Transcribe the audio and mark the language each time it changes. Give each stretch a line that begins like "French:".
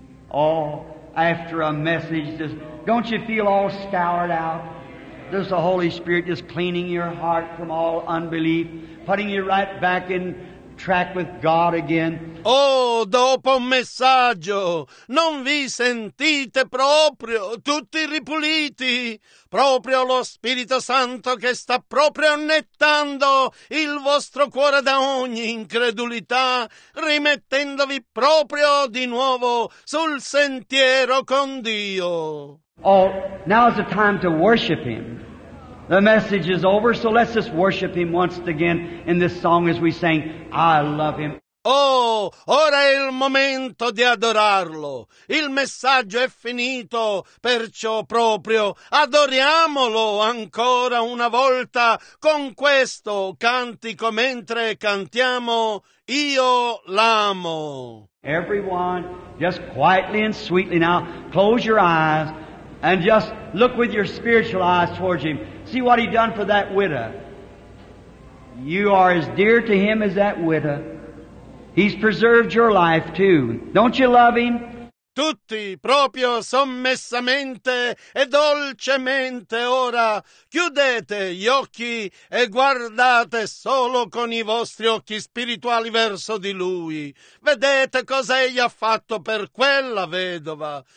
English: Oh, after a message, just, don't you feel all scoured out? There's the Holy Spirit just cleaning your heart from all unbelief, putting you right back in track with God again.
Italian: Oh, dopo un messaggio, non vi sentite proprio tutti ripuliti? Proprio lo Spirito Santo che sta proprio annettando il vostro cuore da ogni incredulità, rimettendovi proprio di nuovo sul sentiero con Dio.
English: Oh, now is the time to worship Him. The message is over, so let's just worship Him once again in this song as we sang, I love Him.
Italian: Oh, ora è il momento di adorarlo. Il messaggio è finito, perciò proprio adoriamolo ancora una volta con questo cantico mentre cantiamo Io l'amo.
English: Everyone, just quietly and sweetly now, close your eyes and just look with your spiritual eyes towards Him. See what He done for that widow. You are as dear to Him as that widow. He's preserved your life too. Don't you love Him?
Italian: Tutti proprio sommessamente e dolcemente ora chiudete gli occhi e guardate solo con i vostri occhi spirituali verso di Lui. Vedete cosa Egli ha fatto per quella vedova.